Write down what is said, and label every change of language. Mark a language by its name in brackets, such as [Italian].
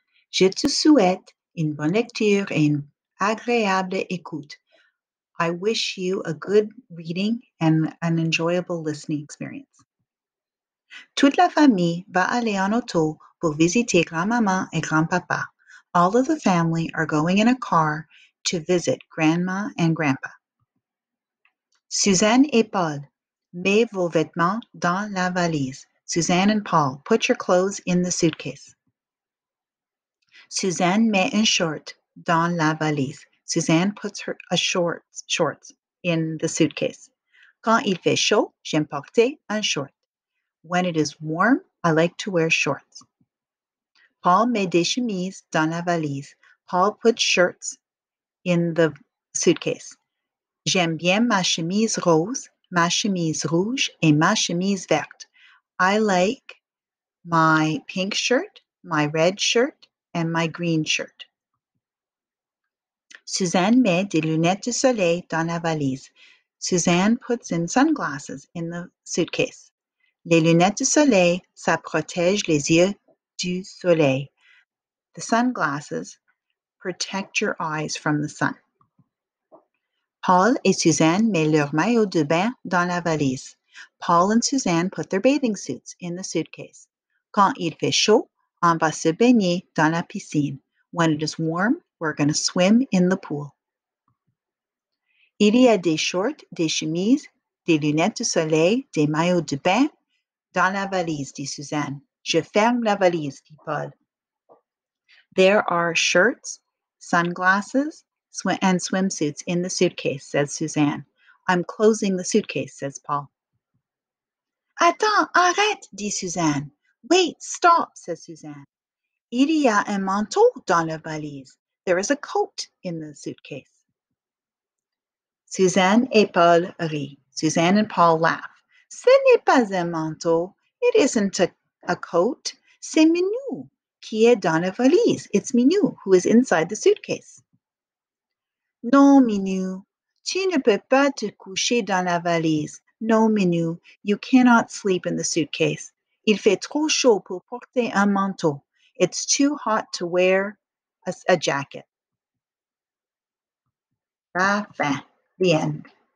[French] Je te souhaite une bonne lecture et une agréable écoute. [English] I wish you a good reading and an enjoyable listening experience. [French] Toute la famille va aller en auto pour visiter grand-maman et grand-papa. [English] All of the family are going in a car to visit grandma and grandpa. [French] Suzanne et Paul. Mets vos vêtements dans la valise. [English] Suzanne and Paul, put your clothes in the suitcase. [French] Suzanne met un short dans la valise. [English] Suzanne puts shorts in the suitcase. [French] Quand il fait chaud, j'aime porter un short. [English] When it is warm, I like to wear shorts. [French] Paul met des chemises dans la valise. [English] Paul puts shirts in the suitcase. [French] J'aime bien ma chemise rose. Ma chemise rouge et ma chemise verte. [English] I like my pink shirt, my red shirt, and my green shirt. [French] Suzanne met des lunettes de soleil dans la valise. [English] Suzanne puts in sunglasses in the suitcase. [French] Les lunettes de soleil, ça protège les yeux du soleil. [English] The sunglasses protect your eyes from the sun. [French] Paul et Suzanne met leur maillot de bain dans la valise. [English] Paul and Suzanne put their bathing suits in the suitcase. [French] Quand il fait chaud, on va se baigner dans la piscine. [English] When it is warm, we're going to swim in the pool. [French] Il y a des shorts, des chemises, des lunettes de soleil, des maillots de bain dans la valise, dit Suzanne. Je ferme la valise, dit Paul. [English] There are shirts, sunglasses, and swimsuits in the suitcase, says Suzanne. I'm closing the suitcase, says Paul. [French] Attends, arrête, dit Suzanne. [English] Wait, stop, says Suzanne. [French] Il y a un manteau dans la valise. [English] There is a coat in the suitcase. [French] Suzanne et Paul rient. [English] Suzanne and Paul laugh. [French] Ce n'est pas un manteau. [English] It isn't a coat. [French] C'est Minou qui est dans la valise. [English] It's Minou who is inside the suitcase. [French] Non, Minou, tu ne peux pas te coucher dans la valise. [English] No, Minou, you cannot sleep in the suitcase. [French] Il fait trop chaud pour porter un manteau. [English] It's too hot to wear a jacket. [French] La fin. [English] The end.